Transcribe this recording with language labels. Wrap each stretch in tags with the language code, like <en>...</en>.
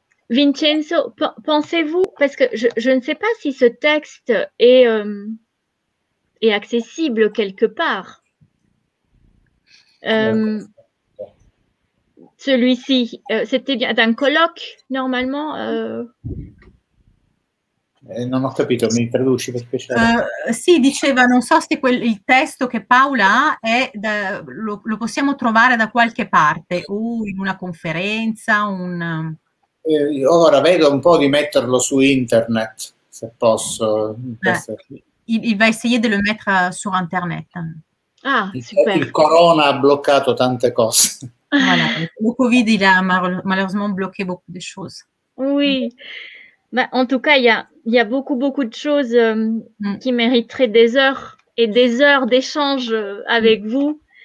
<fr>Vincenzo, pensez-vous, parce que je ne sais pas si ce texte est accessible quelque part. Celui-ci, c'était bien d'un colloque, normalement.</fr> <it>Non ho capito, mi traduci per piacere. Sì, diceva, non so se il testo che Paola ha lo possiamo trovare da qualche parte, o in una conferenza, un... Ora vedo un po' di metterlo su internet, se posso.</it> <fr>Il va essayer de le mettre</fr> <it>su</it> <fr>internet. Ah, super.</fr> <it>Il corona ha bloccato tante cose.</it> <fr>Voilà, le Covid, il a malheureusement bloqué beaucoup de choses. Oui. Bah, en tout cas, il y a beaucoup, beaucoup de choses qui mériteraient des heures et des heures d'échange avec vous.</fr>